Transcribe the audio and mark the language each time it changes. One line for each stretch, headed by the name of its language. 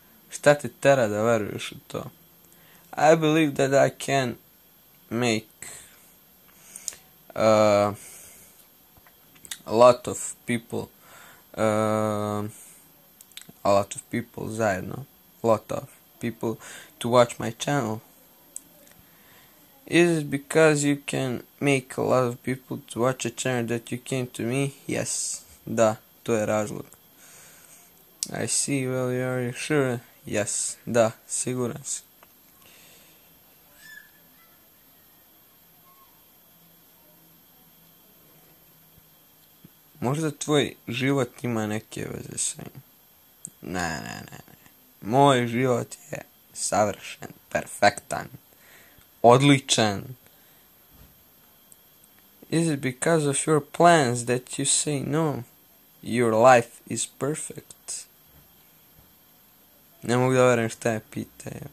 Serbian: Šta te tera da veruješ u to?
English: I believe that I can make a lot of people a lot of people to watch my channel. Is it because you can make a lot of people to watch a channel that you came to me? Yes.
Serbian: Da, to je razlog.
English: I see, well, are you sure? Yes.
Serbian: Da, siguran si. Možda tvoj život ima neke veze sa njim. Ne. Moj život je savršen, perfektan. Odličan.
English: Is it because of your plans that you say no? Your life is perfect.
Serbian: Ne mogu da verujem šta je pita.